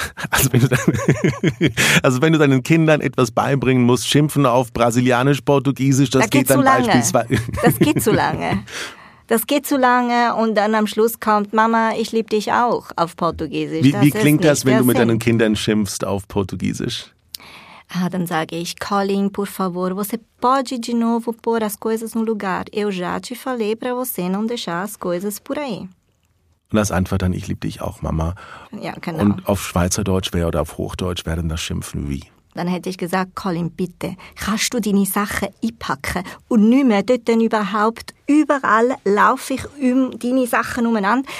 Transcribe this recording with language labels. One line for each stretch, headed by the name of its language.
German: Also wenn du deinen Kindern etwas beibringen musst, schimpfen auf Brasilianisch, Portugiesisch, das geht dann beispielsweise... Das geht zu lange. Das geht zu lange und dann am Schluss kommt, Mama, ich liebe dich auch auf Portugiesisch. Wie klingt das, wenn du mit deinen Kindern schimpfst auf Portugiesisch? Ah, dann sage ich,
Portuguese: Colin, por favor, você pode de novo pôr as coisas no lugar. Eu já te falei para você não deixar as coisas por aí.
German: Und das Antwort dann, ich liebe dich auch, Mama. Ja, genau. Und auf Schweizerdeutsch wäre oder auf Hochdeutsch wäre dann das Schimpfen wie? Dann hätte ich gesagt, Colin, bitte, kannst du deine Sachen einpacken? Und nicht mehr dort denn überhaupt, überall laufe ich um deine Sachen umeinander.